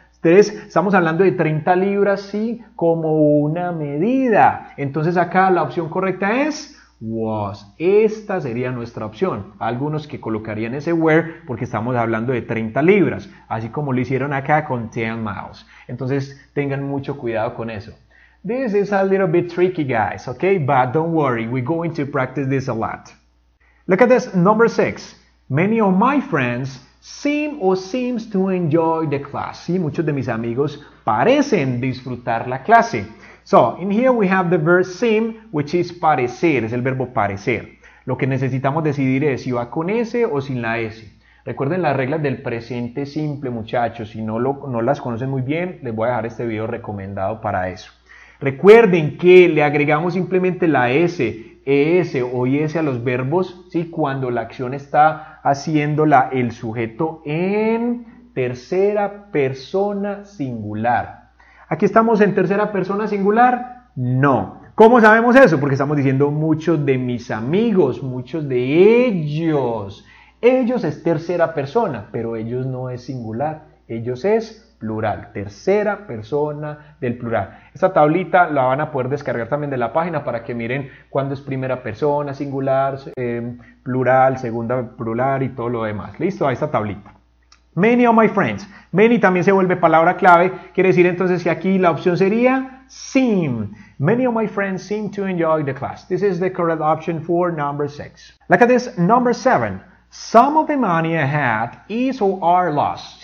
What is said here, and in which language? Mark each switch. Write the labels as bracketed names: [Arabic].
[Spanish] Entonces, estamos hablando de 30 libras, sí, como una medida. Entonces, acá la opción correcta es was. Esta sería nuestra opción. Algunos que colocarían ese were porque estamos hablando de 30 libras. Así como lo hicieron acá con 10 miles. Entonces, tengan mucho cuidado con eso. [English] This is a little bit tricky, guys, okay? But don't worry, we're going to practice this a lot. Look at this, number 6. Many of my friends seem or seems to enjoy the class. [Spanish] Sí, muchos de mis amigos parecen disfrutar la clase. [English] So, in here we have the verb seem, which is parecer, [Spanish] es el verbo parecer. Lo que necesitamos decidir es si va con S o sin la S. Recuerden las reglas del presente simple, muchachos. Si no las conocen muy bien, les voy a dejar este video recomendado para eso. Recuerden que le agregamos simplemente la S, ES o IS a los verbos, ¿sí? Cuando la acción está haciéndola el sujeto en tercera persona singular. ¿Aquí estamos en tercera persona singular? No. ¿Cómo sabemos eso? Porque estamos diciendo muchos de mis amigos, muchos de ellos. Ellos es tercera persona, pero ellos no es singular. Ellos es plural, tercera persona del plural. Esta tablita la van a poder descargar también de la página para que miren cuándo es primera persona, singular, plural, segunda, plural y todo lo demás. Listo, ahí está tablita. [English] Many of my friends. [Spanish] Many también se vuelve palabra clave. Quiere decir entonces que aquí la opción sería seem. [English] Many of my friends seem to enjoy the class. This is the correct option for number 6. Look at this number 7. Some of the money I had is or are lost.